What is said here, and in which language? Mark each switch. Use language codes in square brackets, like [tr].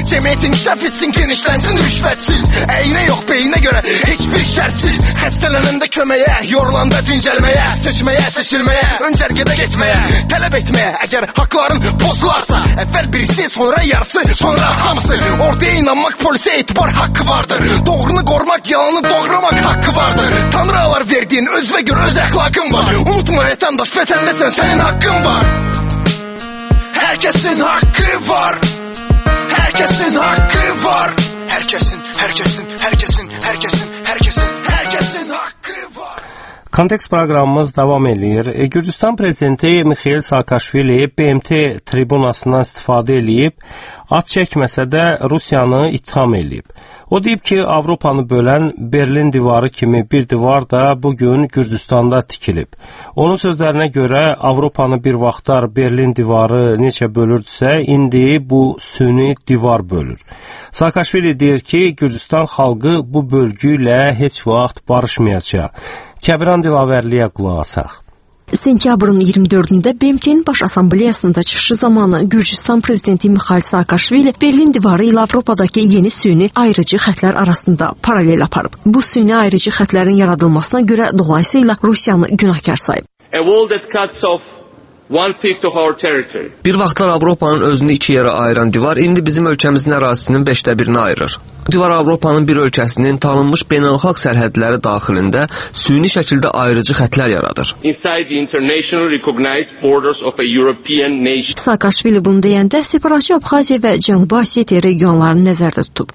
[az] Cəmiyyət inkişaf etsin, genişlənsin rüşvətsiz. Əyinə yox, beyinə görə heç bir şərtsiz. Xəstələnəndə köməyə, yorulanda dincəlməyə, seçməyə, seçilməyə, öncərgədə getməyə, tələb etməyə. Əgər haqların pozularsa, əvvəl birisi, sonra yarısı, sonra hamısı. [tr] Orduya inanmak, polise itibar hakkı vardır. Doğrunu korumak, yalanı doğramak hakkı vardır. Tanrılar verdiğin öz ve göre öz ahlakın var. Unutma vatandaş, vatandaşsan senin hakkın var. Herkesin hakkı var. Herkesin hakkı var. Herkesin, herkesin, herkesin, herkesin, herkesin, herkesin hakkı var. [az] Kontekst proqramımız davam edir. Gürcüstan prezidenti Mikhail Saakashvili BMT tribunasından istifadə edib, ad çəkməsə də Rusiyanı ittiham edib. O deyib ki, Avropanı bölən Berlin divarı kimi bir divar da bugün Gürcüstanda tikilib. Onun sözlərinə görə, Avropanı bir vaxtlar Berlin divarı necə bölürdüsə, indi bu süni divar bölür. Saakashvili deyir ki, Gürcüstan xalqı bu bölgü ilə heç vaxt barışmayacaq. Kəbiran Dilavərliyə qulaq asaq. Sentyabrın 24-də BMT-nin baş assambleyasında çıxışı zamanı Gürcüstan prezidenti Mikhail Saakashvili Berlin divarı ilə Avropadakı yeni süni ayrıcı xətlər arasında paralel aparıb. Bu süni ayrıcı xətlərin yaradılmasına görə dolayısıyla Rusiyanı günahkar sayıb. [en] A wall that cuts off one-fifth of our territory. [az] Bir vaxtlar Avropanın özünü iki yerə ayıran divar indi bizim ölkəmizin ərazisinin 5-də 1-ini ayırır. Bu divar Avropanın bir ölkəsinin tanınmış beynəlxalq sərhədləri daxilində süni şəkildə ayrıcı xətlər yaradır. Saakashvili bunu deyəndə separatçı Abxaziya və Cənubi Osetiya regionlarını nəzərdə tutub.